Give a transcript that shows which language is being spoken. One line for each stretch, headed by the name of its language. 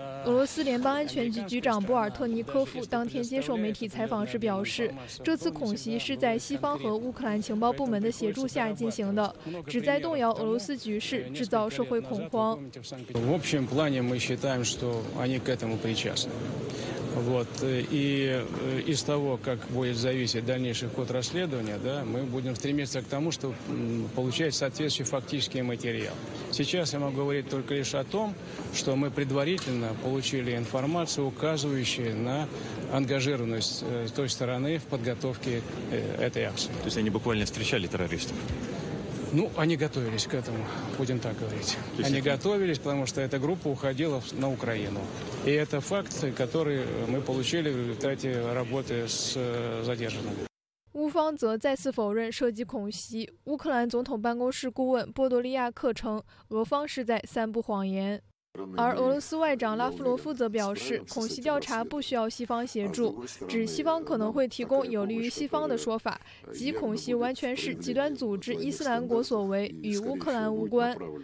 Chinese: 俄罗斯联邦安全局局长波尔特尼科夫当天接受媒体采访时表示，这次恐袭是在西方和乌克兰情报部门的协助下进行的，旨在动摇俄罗斯局势，制造社会恐慌。
Russian: Вот. И из того, как будет зависеть дальнейший ход расследования, да, мы будем стремиться к тому, чтобы получать соответствующий фактический материал. Сейчас я могу говорить только лишь о том, что мы предварительно получили информацию, указывающую на ангажированность той стороны в подготовке этой акции. То есть они буквально встречали террористов? Ну, они готовились к этому, будем так говорить. Они готовились, потому что эта группа уходила на Украину. И это факт, который мы получили в результате работы с задержанными.
Chinese: 乌方则再次否认涉及恐袭。乌克兰总统办公室顾问波多利亚克称，俄方是在散布谎言。而俄罗斯外长拉夫罗夫则表示，恐袭调查不需要西方协助，指西方可能会提供有利于西方的说法，即恐袭完全是极端组织伊斯兰国所为，与乌克兰无关。